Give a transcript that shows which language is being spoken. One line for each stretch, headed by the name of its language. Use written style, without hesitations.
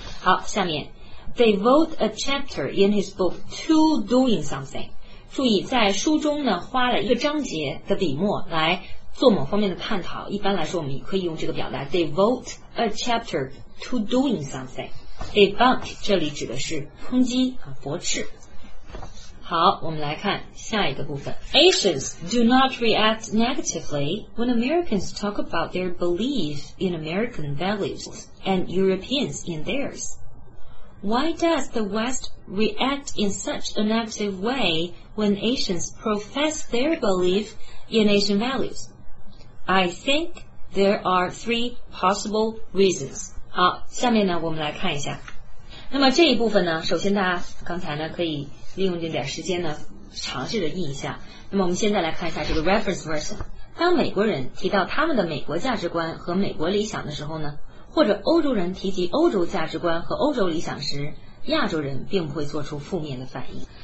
Chinese: 好，下面
English: devote a chapter in his book to doing something，
Chinese: 注意在书中呢花了一个章节的笔墨来做某方面的探讨，一般来说我们可以用这个表达
English: devote a chapter to doing something。
Chinese: debunk 这里指的是抨击和驳斥。好，我们来看下一个部分。
English: Asians do not react negatively when Americans talk about their belief in American values and Europeans in theirs。 Why does the West react in such a negative way when Asians profess their belief in Asian values? I think there are three possible reasons.
Chinese: 好，下面呢我们来看一下。那么这一部分呢，首先大家刚才呢可以利用这点时间呢尝试着印一下。那么我们现在来看一下这个
English: reference version。
Chinese: 当美国人提到他们的美国价值观和美国理想的时候呢，或者欧洲人提及欧洲价值观和欧洲理想时，亚洲人并不会做出负面的反应。